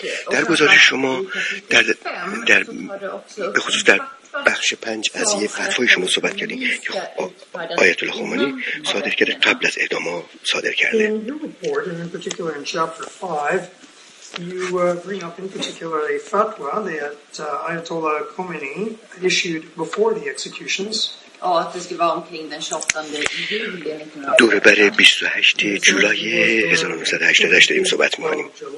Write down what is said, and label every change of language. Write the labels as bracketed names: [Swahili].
[Persian] در گزارش شما در به خصوص در بخش 5 از یه فتوای شما صحبت کردیم که آیت الله خمینی صادر کرده، قبل از اعدام ها صادر کرده. [English] You bring up in particular a fatwa that Ayatollah Khomeini issued before the executions. [Swedish] Oh, att det skulle vara omkring den 28 juli. [Persian] دور بر 28 جولای 1988 داریم صحبت می‌کنیم.